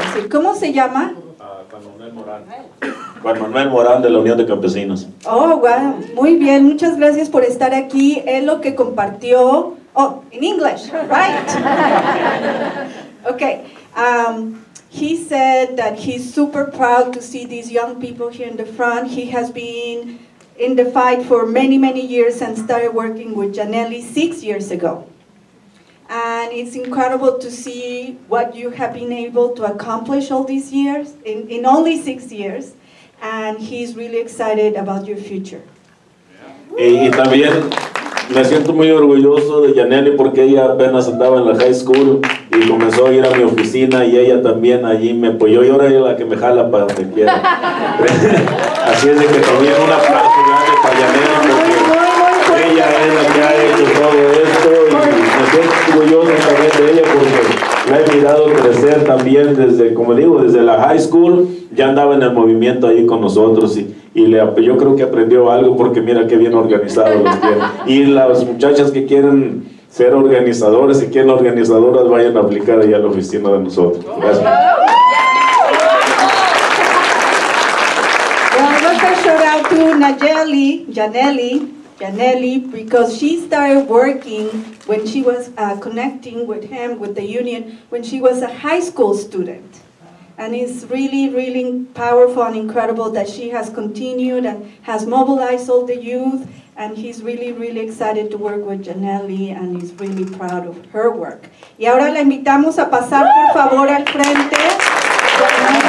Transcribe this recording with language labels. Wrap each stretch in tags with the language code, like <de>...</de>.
<es>¿Cómo se llama? Juan Manuel Morán, de la Unión de Campesinos. Oh, wow, muy bien, muchas gracias por estar aquí. Él lo que compartió,</es> <en>oh, in English, right? Okay, He said that he's super proud to see these young people here in the front. He has been in the fight for many, many years and started working with Gianelli 6 years ago. And it's incredible to see what you have been able to accomplish all these years, in only 6 years. And he's really excited about your future. Yeah.</en> <es>Y también me siento muy orgulloso de Gianelli porque ella apenas andaba en la high school y comenzó a ir a mi oficina y ella también allí me apoyó. Y ahora ella es la que me jala para donde quiera. Así es de que también un aplauso grande para Gianelli porque ella es la que ha hecho todo esto. Y me siento orgulloso también de ella porque la he mirado crecer también desde, como digo, desde la high school. Ya andaba en el movimiento ahí con nosotros y yo creo que aprendió algo porque mira qué bien organizado los tiene. Y las muchachas que quieren ser organizadores y quieren organizadoras, vayan a aplicar ahí a la oficina de nosotros. Gracias.</es> <en>Well, I'm going to shout out to Nayeli, Gianelli, because she started working when she was connecting with him, with the union, when she was a high school student. And it's really, really powerful and incredible that she has continued and has mobilized all the youth. And he's really, really excited to work with Gianelli and he's really proud of her work.</en> <es>Y ahora la invitamos a pasar, por favor, al frente.</es>